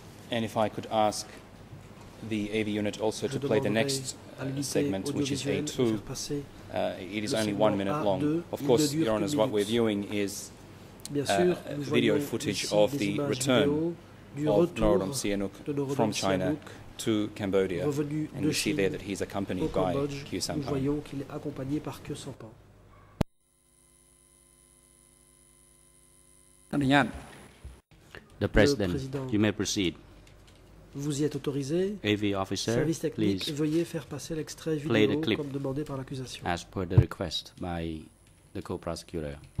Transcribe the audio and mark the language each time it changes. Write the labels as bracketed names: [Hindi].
[English] And if I could ask the AV unit also to play the next segment, which is A2. It is only 1 minute long. Of course, Your Honours, what we're viewing is video footage of the return of Norodom Sihanouk from China to Cambodia. And you see there that he's accompanied by Khieu Samphan. [French] Nous voyons qu'il est accompagné par Khieu Samphan. [English] The President, you may proceed. [French] Vous y êtes autorisé. [English] AV officer, [French] service technique, [English] please [French] veuillez faire passer l'extrait vidéo comme demandé par l'accusation. [English] As per the request by the co-prosecutor.